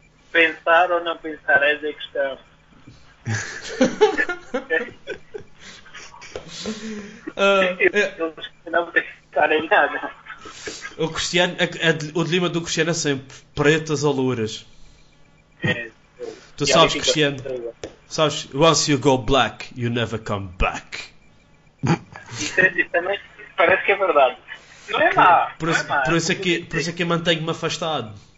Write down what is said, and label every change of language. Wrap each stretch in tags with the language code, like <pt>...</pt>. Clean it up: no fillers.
<pt>Pensar ou não pensar é a questão. Não pensar em nada. O Cristiano, o dilema do Cristiano é sempre pretas ou louras. É. Tu sabes, Cristiano, sabes,</pt> <en>once you go black, you never come back.</en> <pt>Isso também parece que é verdade. Não é má. Por isso é que eu mantenho-me afastado.</pt>